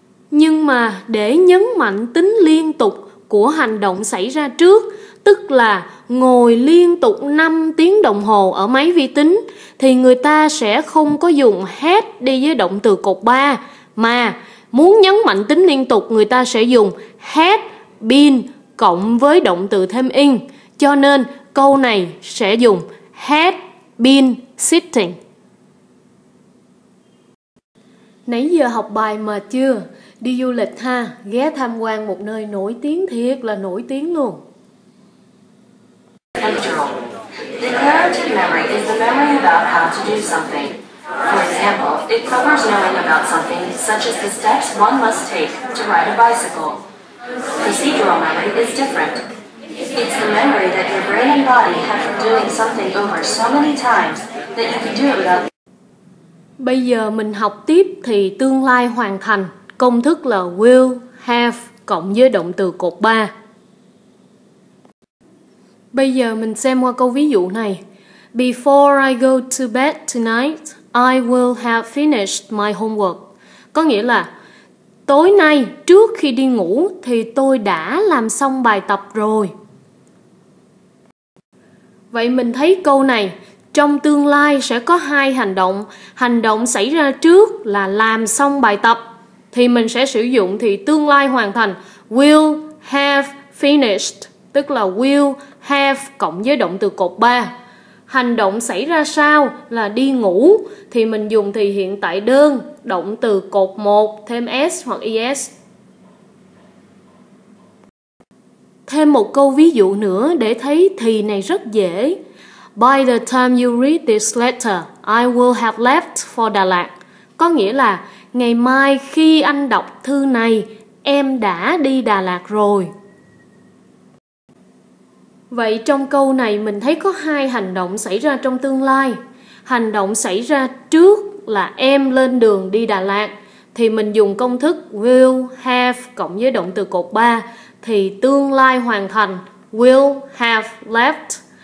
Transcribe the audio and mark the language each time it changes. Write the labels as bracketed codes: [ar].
[vi] Nhưng mà để nhấn mạnh tính liên tục của hành động xảy ra trước, tức là ngồi liên tục 5 tiếng đồng hồ ở máy vi tính, thì người ta sẽ không có dùng had đi với động từ cột 3, mà muốn nhấn mạnh tính liên tục người ta sẽ dùng had been cộng với động từ thêm in. Cho nên câu này sẽ dùng had been sitting. Nãy giờ học bài mà chưa? Đi du lịch ha, ghé tham quan một nơi nổi tiếng, thiệt là nổi tiếng luôn. [en] The comparative memory is the memory about how to do something. For example, it covers knowing about something such as the steps one must take to ride a bicycle. Procedural memory is different. It's the memory that your brain and body have from doing something over so many times that you can do it without. [vi] Bây giờ mình học tiếp thì tương lai hoàn thành. Công thức là will, have cộng với động từ cột 3. Bây giờ mình xem qua câu ví dụ này. [en] Before I go to bed tonight, I will have finished my homework. [vi] Có nghĩa là tối nay trước khi đi ngủ thì tôi đã làm xong bài tập rồi. Vậy mình thấy câu này, trong tương lai sẽ có hai hành động. Hành động xảy ra trước là làm xong bài tập, thì mình sẽ sử dụng thì tương lai hoàn thành will have finished, tức là will have cộng với động từ cột 3. Hành động xảy ra sau là đi ngủ thì mình dùng thì hiện tại đơn, động từ cột 1 thêm s hoặc es. Thêm một câu ví dụ nữa để thấy thì này rất dễ. [en] By the time you read this letter, I will have left for Đà Lạt. [vi] Có nghĩa là ngày mai khi anh đọc thư này, em đã đi Đà Lạt rồi. Vậy trong câu này mình thấy có hai hành động xảy ra trong tương lai. Hành động xảy ra trước là em lên đường đi Đà Lạt, thì mình dùng công thức will have cộng với động từ cột 3, thì tương lai hoàn thành will have left.